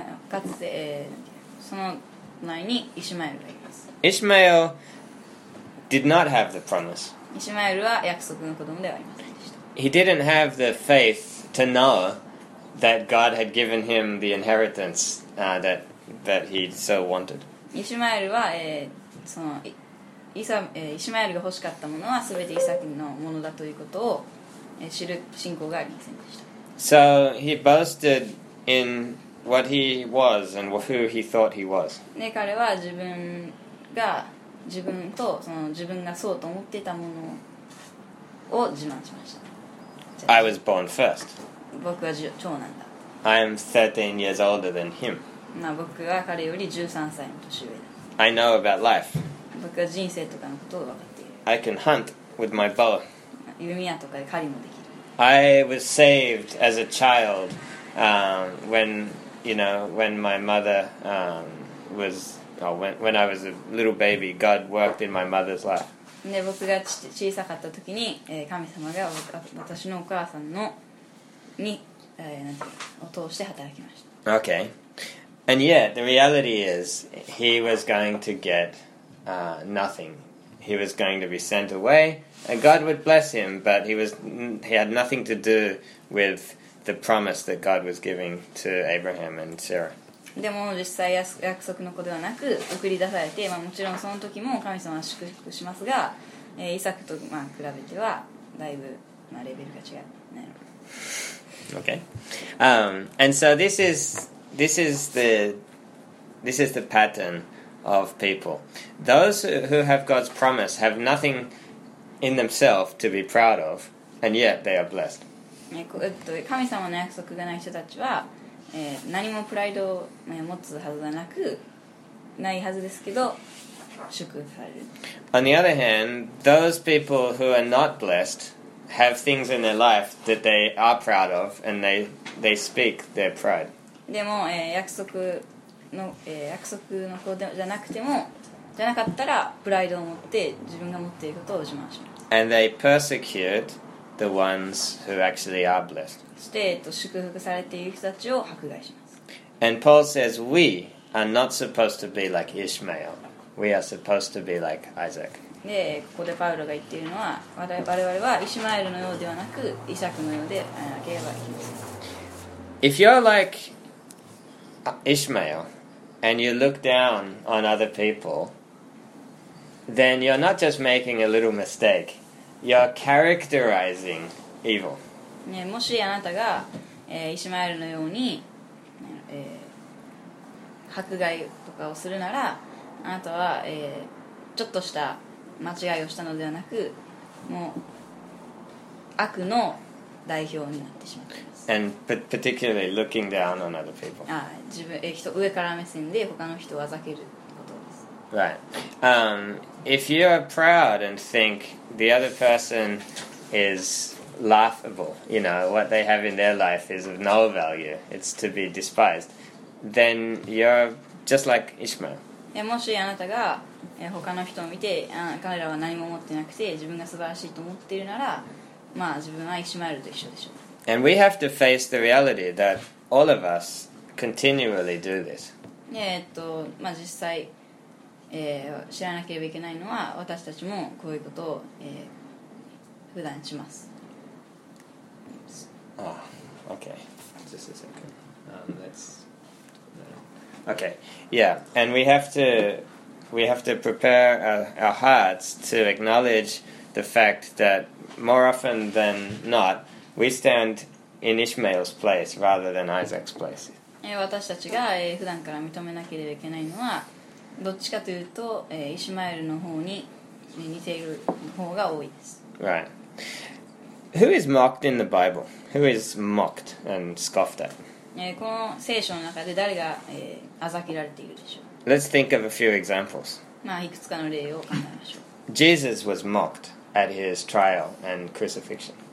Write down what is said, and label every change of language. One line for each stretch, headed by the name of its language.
Japanese: かつて、その前にイシュマエルがいます。
English: Ishmael did not have the promise.
Japanese: イシュマエルは約束の子供ではありません。
English: He didn't have the faith to know that God had given him the inheritance that he so wanted.
Japanese: イシュマエルは、その、イシュマエルが欲しかったものは全てイサクのものだということを、知る信仰がありませんでした。
English: So he boasted in what he was and who he thought he was.
Japanese: ね、彼は自分が自分とその自分がそうと思っていたものを自慢しました。
English: I was born first.
Japanese: 僕は長男だ。
English: I am 13 years older than him.
Japanese: な、僕は彼より13歳の年上だ。
English: I know about life.
Japanese: 僕は人生とかのことを分かっている。
English: I can hunt with my bow.
Japanese: 弓矢とかで狩りもできる。
English: I was saved as a child, when, you know, when my mother, was, or when I was a little baby, God worked in my mother's life.
Japanese: で、僕が小さかった時に、神様が私のお母さんのに、なんていうの、を通して働きました。
English: Okay. And yet, the reality is, he was going to get, nothing. He was going to be sent away, and God would bless him, but he had nothing to do with the promise that God was giving to Abraham and Sarah.
Japanese: でも実際約束の子ではなく送り出されて、まあ、もちろんその時も神様は祝福しますが、イサクとまあ比べてはだいぶ、まあ、レベルが違う、ね。
English: Okay. And so this is the pattern. Of people. Those who have God's promise have nothing in themselves to be proud of, and yet they are blessed.
Japanese: 神様の約束がない人たちは、何もプライドを持つはずがなく、ないはずですけど、祝福される。
English: On the other hand, those people who are not blessed have things in their life that they are proud of, and they speak their pride.
Japanese: でも、約束の、約束の子でじゃなくてもじゃなかったらプライドを持って自分が持っていることを自慢します。
English: And they persecute the ones who actually are blessed.
Japanese: そして、祝福されている人たちを迫害します。
English: And Paul says we are not supposed to be like Ishmael. We are supposed to be like Isaac.
Japanese: で、ここでパウロが言っているのは我々はイシュマエルのようではなくイサクのようでなければいけません。
English: If you're likeIshmael, and you look down on other people, then you're not just making a little mistake, you're characterizing evil.
Japanese: ね、もしあなたが、イシュマエルのように、迫害とかをするなら、あなたは、ちょっとした間違いをしたのではなく、もう悪の代表になってしまう。
English: And particularly looking down on other people.
Japanese: ああ、自分、上から目線で他の人をあざけることです。
English: Right. If you are proud and think the other person is laughable, you know, what they have in their life is of no value, it's to be despised, then you're just like Ishmael.
Japanese: もしあなたが他の人を見て、彼らは何も持ってなくて、自分が素晴らしいと思っているなら、まあ自分はイシュマエルと一緒でしょう。
English: And we have to face the reality that all of us continually do this.
Japanese: まあ実際、知らなければいけないのは私たちもこういうことを、普段します。
English: Oh, okay. Just a second. Let's. Okay. Yeah. And we have to prepare our hearts to acknowledge the fact that more often than not. We stand in Ishmael's place rather than Isaac's place.
Japanese: 私たちが普段から認めなければいけないのは、どっちかというとイシュマエルの方に似ている方が多いです。
English: Right. Who is mocked in the Bible? Who is mocked and scoffed at?
Japanese: この聖書の中で誰が嘲けられているでしょう。
English: Let's think of a few examples.
Japanese: まあいくつかの例を考えましょう。
English: Jesus was mocked at his trial and crucifixion.